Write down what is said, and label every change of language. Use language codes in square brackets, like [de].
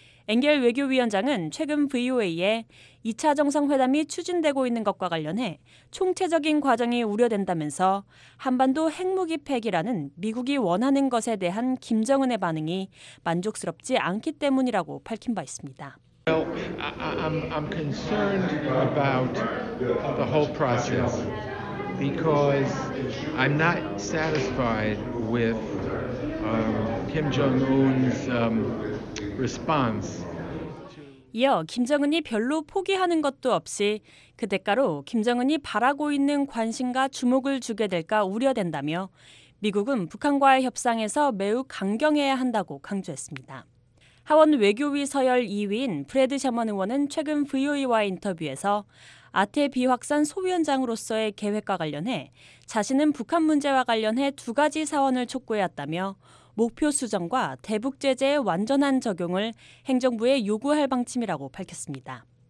[ko] 앵겔 외교위원장은 최근 VOA에 2차 정상회담이 추진되고 있는 것과 관련해 총체적인 과정이 우려된다면서 한반도 핵무기 폐기라는 미국이 원하는 것에 대한 김정은의 반응이 만족스럽지 않기 때문이라고 밝힌 바 있습니다. [en] Well, I'm concerned about the whole process because I'm not satisfied with Kim Jong-un's response. [ko] 이어 김정은이 별로 포기하는 것도 없이 그 대가로 김정은이 바라고 있는 관심과 주목을 주게 될까 우려된다며 미국은 북한과의 협상에서 매우 강경해야 한다고 강조했습니다. 하원 외교위 서열 2위인 브래드 셔먼 의원은 최근 VOA와 인터뷰에서 아태 비확산 소위원장으로서의 계획과 관련해 자신은 북한 문제와 관련해 두 가지 사원을 촉구해왔다며 목표 수정과 대북 제재의 완전한 적용을 행정부에 요구할 방침이라고 밝혔습니다.